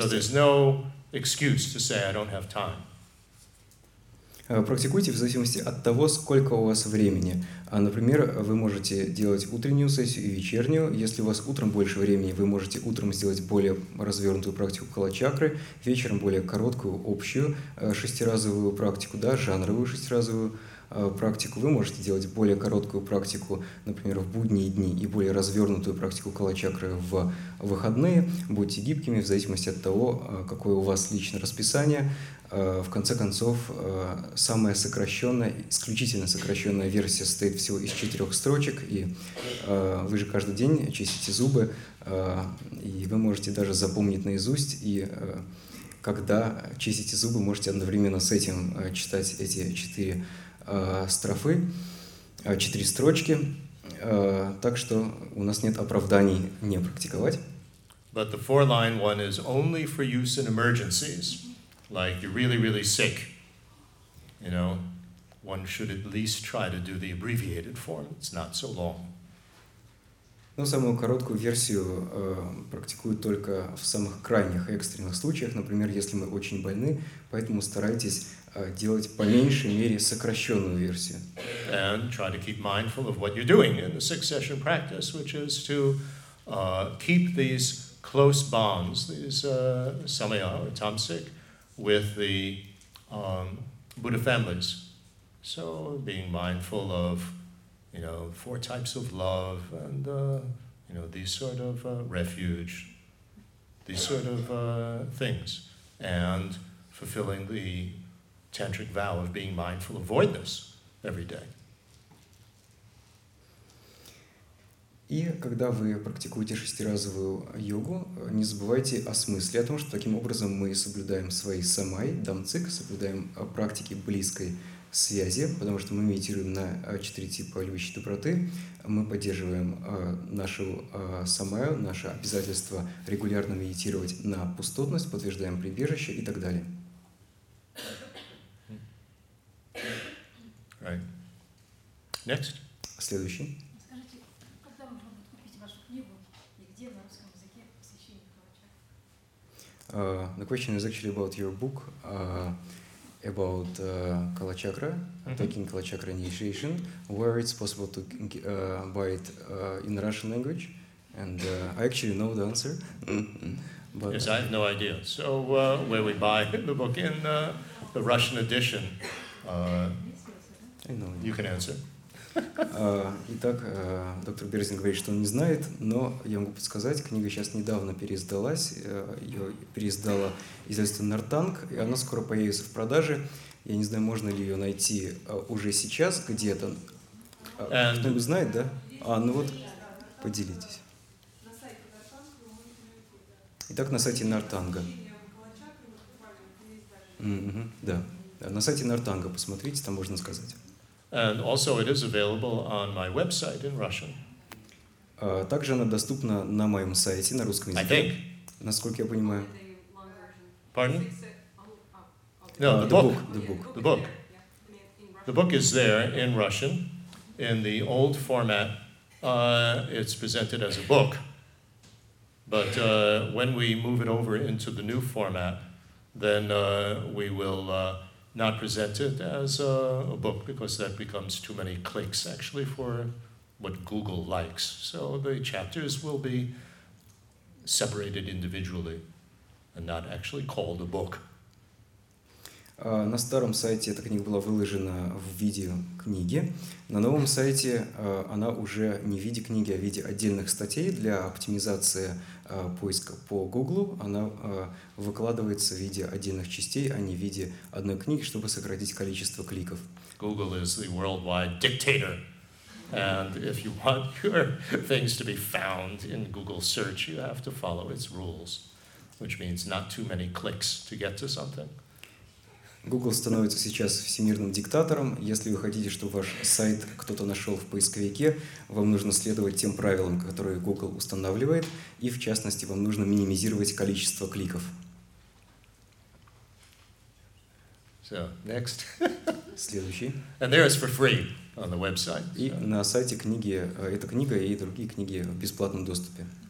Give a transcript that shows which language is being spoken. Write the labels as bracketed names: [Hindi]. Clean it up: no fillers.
[English] So there's no excuse to say I don't have time. [Russian] Практикуйте в зависимости от того, сколько у вас времени. Например, вы можете делать утреннюю сессию и вечернюю. Если у вас утром больше времени, вы можете утром сделать более развернутую практику калачакры, вечером более короткую, общую шестиразовую практику, да, жанровую шестиразовую практику. Вы можете делать более короткую практику, например, в будние дни и более развернутую практику калачакры в выходные. Будьте гибкими в зависимости от того, какое у вас личное расписание. В конце концов, самая сокращенная, исключительно сокращенная версия состоит всего из четырех строчек, и вы же каждый день чистите зубы, и вы можете даже запомнить наизусть, и когда чистите зубы, можете одновременно с этим читать эти четыре строфы, четыре строчки, так что у нас нет оправданий не практиковать. [English] But the four-line one is only for use in emergencies. Like you're really, really sick, you know, one should at least try to do the abbreviated form. It's not so long. [Russian] Но самую короткую версию практикуют только в самых крайних экстренных случаях, например, если мы очень больны, поэтому старайтесь делать по меньшей мере сокращенную версию. [English] And try to keep mindful of what you're doing in the succession practice, which is to keep these close bonds, these samaya or tamasic, with the Buddha families. So being mindful of, you know, four types of love and, you know, these sort of refuge, these sort of things, and fulfilling the tantric vow of being mindful of voidness every day. [Russian] И когда вы практикуете шестиразовую йогу, не забывайте о смысле, о том, что таким образом мы соблюдаем свои самай, дамцик, соблюдаем практики близкой связи, потому что мы медитируем на четыре типа любящей доброты, мы поддерживаем нашу самаю, наше обязательство регулярно медитировать на пустотность, подтверждаем прибежище и так далее. [English] Right. Next. [Russian] Следующий. [English] The question is actually about your book about Kala Chakra, taking Kala Chakra initiation. Where it's possible to buy it in Russian language? And I actually know the answer. But yes, I have no idea. So where we buy the book in the Russian edition? I know. You can answer. [Russian] Итак, доктор Берзин говорит, что он не знает, но я могу подсказать, книга сейчас недавно переиздалась, ее переиздала издательство Нортанг, и она скоро появится в продаже. Я не знаю, можно ли ее найти уже сейчас где-то. Кто-нибудь знает, да? А, ну вот, поделитесь. Итак, на сайте Нортанга. Да. Да, на сайте Нортанга посмотрите, там можно сказать. [English] And also it is available on my website in Russian. [Russian] Также она доступна на моем сайте на русском языке. [English] I think. [Russian] Насколько я понимаю. [English] Pardon? No, the book. The book. The book is there in Russian, in the old format. It's presented as a book. But when we move it over into the new format, then we will not presented as a book, because that becomes too many clicks, actually, for what Google likes. So the chapters will be separated individually and not actually called a book. [Russian] На старом сайте эта книга была выложена в виде книги. На новом сайте она уже не в виде книги, а в виде отдельных статей для оптимизации поиска по Гуглу. Она выкладывается в виде отдельных частей, а не в виде одной книги, чтобы сократить количество кликов. [English] Google is the worldwide dictator. And if you want your things to be found in Google search, you have to follow its rules, which means not too many clicks to get to something. [Russian] Google становится сейчас всемирным диктатором. Если вы хотите, чтобы ваш сайт кто-то нашел в поисковике, вам нужно следовать тем правилам, которые Google устанавливает, и, в частности, вам нужно минимизировать количество кликов. [English] So, next. [Russian] Следующий. [English] And there is for free on the website. [Russian] И на сайте книги, эта книга и другие книги в бесплатном доступе.